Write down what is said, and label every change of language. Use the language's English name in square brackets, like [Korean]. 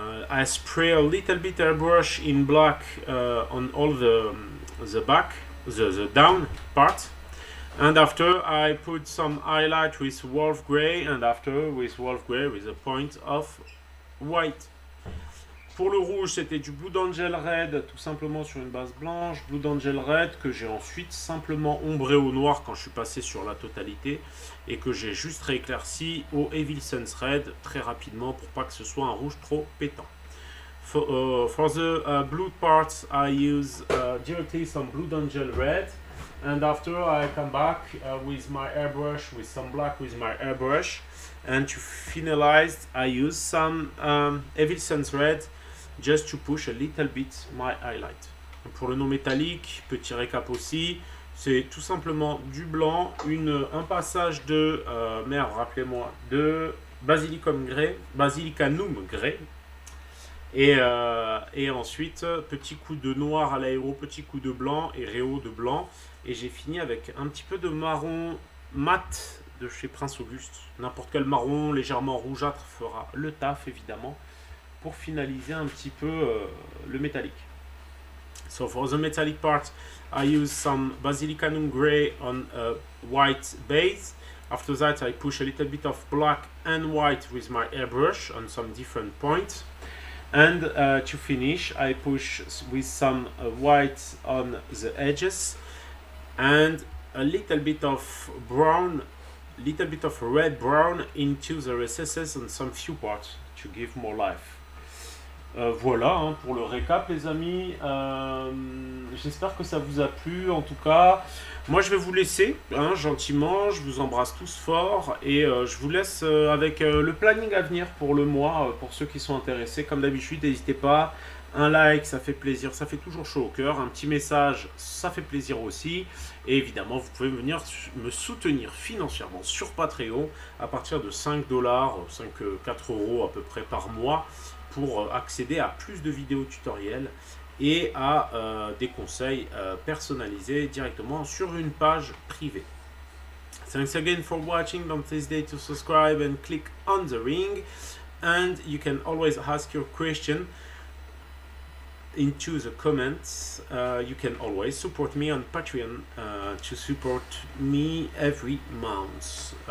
[English] I spray a little bit airbrush in black on all the back, the down part, and after I put some highlight with Wolf Grey, and after with Wolf Grey with a point of white. [French] Pour le rouge, c'était du Blood Angel Red, tout simplement sur une base blanche. Blood Angel Red que j'ai ensuite simplement ombré au noir quand je suis passé sur la totalité et que j'ai juste rééclairci au Evil Sense Red très rapidement pour pas que ce soit un rouge trop pétant. [English] For the blue parts, I use directly some Blood Angel Red, and after I come back with my airbrush, with some black with my airbrush, and to finalize, I use some Evil Sense Red. Just to push a little bit my highlight. [French] Pour le nom métallique, petit récap aussi, c'est tout simplement du blanc, un passage de, merde, rappelez-moi, de Basilicum Grey, Basilicanum Grey, et ensuite, petit coup de noir à l'aéro, petit coup de blanc et rehaut de blanc, et j'ai fini avec un petit peu de marron mat de chez Prince Auguste. N'importe quel marron légèrement rougeâtre fera le taf, évidemment. Pour finaliser un petit peu le métallique. [English] So for the metallic part, I use some Basilicanum Grey on a white base. After that, I push a little bit of black and white with my airbrush on some different points. And to finish, I push with some white on the edges and a little bit of brown, little bit of red brown into the recesses on some few parts to give more life. [French] Voilà hein, pour le récap les amis, j'espère que ça vous a plu, en tout cas, moi je vais vous laisser, hein, gentiment, je vous embrasse tous fort, et je vous laisse avec le planning à venir pour le mois, pour ceux qui sont intéressés, comme d'habitude, n'hésitez pas, un like, ça fait plaisir, ça fait toujours chaud au cœur, un petit message, ça fait plaisir aussi, et évidemment, vous pouvez venir me soutenir financièrement sur Patreon, à partir de 5$, 5-4 euros à peu près par mois, pour accéder à plus de vidéos tutoriels et à des conseils personnalisés directement sur une page privée. [English] Thanks again for watching. Don't hesitate to subscribe and click on the ring. And you can always ask your question into the comments. You can always support me on Patreon to support me every month.